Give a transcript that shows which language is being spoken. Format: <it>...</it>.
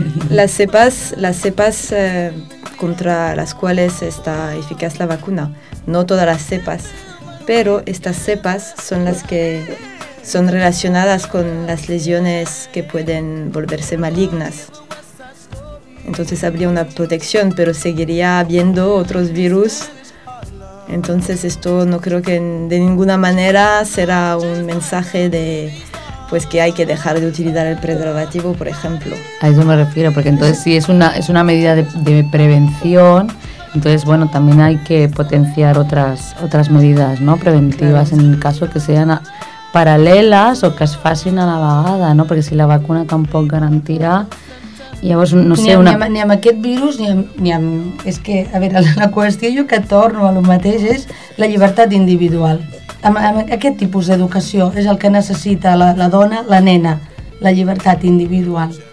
<ca>Les cepes contra les quals està eficaç la vacuna, no totes les cepes, però aquestes cepes són les que són relacionades amb les lesions que poden volver-se malignes.</ca> <es>Entonces habría una protección, pero seguiría habiendo otros virus. Entonces esto no creo que de ninguna manera será un mensaje de pues que hay que dejar de utilizar el preservativo, por ejemplo. A eso me refiero, porque entonces si es una medida de prevención, entonces bueno, también hay que potenciar otras medidas, ¿no? Preventivas, claro. En el caso que sean paralelas o que</es> <ca>es facin a la vegada,</ca> <es>¿no? Porque si la vacuna tampoco garantirá.</es> <ca>Llavors,</ca> <es>no sé,</es> <ca>ni amb aquest virus, ni amb... És que, a veure, la qüestió, jo que torno a lo mateix, és la llibertat individual. Amb aquest tipus d'educació és el que necessita la dona, la nena, la llibertat individual.</ca>